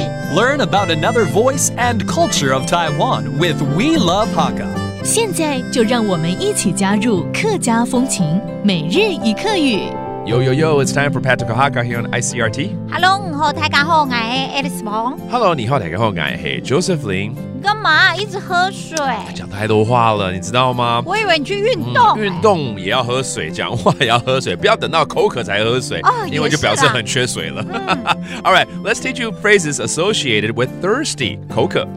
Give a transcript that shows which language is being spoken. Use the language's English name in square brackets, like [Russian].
[English] Learn about another voice and culture of Taiwan with We Love Hakka. [Chinese] 现在就让我们一起加入客家风情每日一客语。 [English] Yo, yo, yo, it's time for Patrick Hakka here on ICRT. Hello, [Chinese] 你好，大家好，我是 Alice Wong. [English] Hello, [Chinese] 你好，大家好，我是 Joseph Lin. 干嘛一直喝水？讲太多话了，你知道吗？我以为你去运动、运动也要喝水，讲话也要喝水，不要等到口渴才喝水、因为就表示很缺水了。 [English] Alright, let's teach you phrases associated with thirsty, 口渴。